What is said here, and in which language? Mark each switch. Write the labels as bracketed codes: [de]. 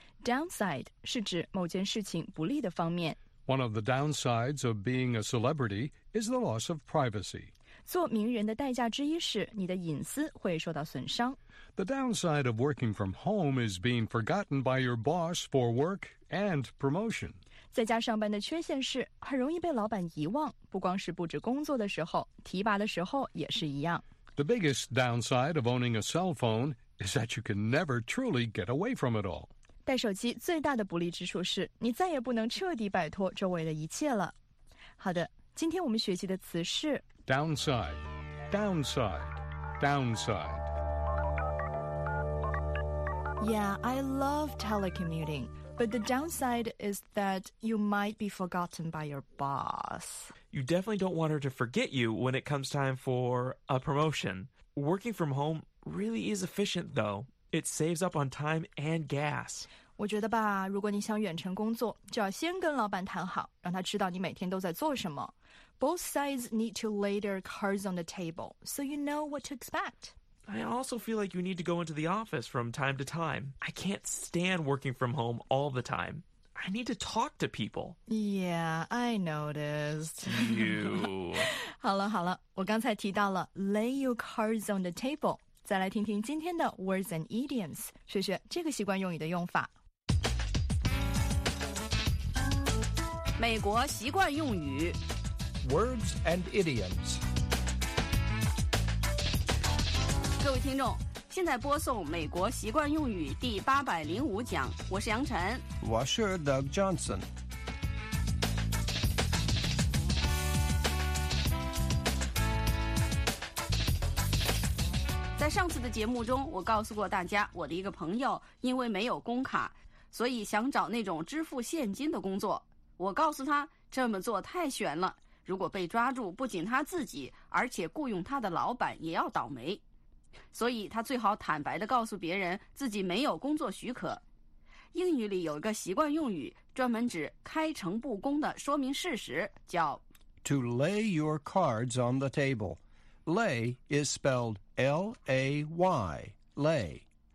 [zh] Downside 是指某件事情不利的方面。 [en] One of the downsides of being a celebrity is the loss of privacy. [zh] 做名人的代价之一是你的隐私会受到损伤。 [en] The downside of working from home is being forgotten by your boss for work and promotion. [zh] 在家上班的缺陷是很容易被老板遗忘，不光是布置工作的时候，提拔的时候也是一样。 [en] The biggest downside of owning a cell phone is that you can never truly get away from it all. [zh] 带手机最大的不利之处是你再也不能彻底摆脱周围的一切了。好的，今天我们学习的词是 [en] downside, downside, downside. Yeah, I love telecommuting, but the downside is that you might be forgotten by your boss. You definitely don't want her to forget you when it comes time for a promotion. Working from home really is efficient, though. It saves up on time and gas. [zh] 我觉得吧，如果你想远程工作，就要先跟老板谈好，让他知道你每天都在做什么。 [en] Both sides need to lay their cards on the table, so you know what to expect. I also feel like you need to go into the office from time to time. I can't stand working from home all the time. I need to talk to people. Yeah, I noticed. You. [zh] 好了好了，我刚才提到了 lay your cards on the table. 再来听听今天的 Words and Idioms, 学学这个习惯用语的用法。美国习惯用语 [en] Words and Idioms。 [zh] 各位听众，现在播送美国习惯用语第805讲，我是杨晨，我是 Doug Johnson。在上次的节目中，我告诉过大家，我的一个朋友因为没有工卡，所以想找那种支付现金的工作。我告诉他，这么做太悬了，如果被抓住，不仅他自己，而且雇佣他的老板也要倒霉。所以他最好坦白地告诉别人自己没有工作许可。英语里有一个习惯用语，专门指开诚布公地说明事实，叫 [en] To lay your cards on the table. Lay is spelled L-A-Y, lay.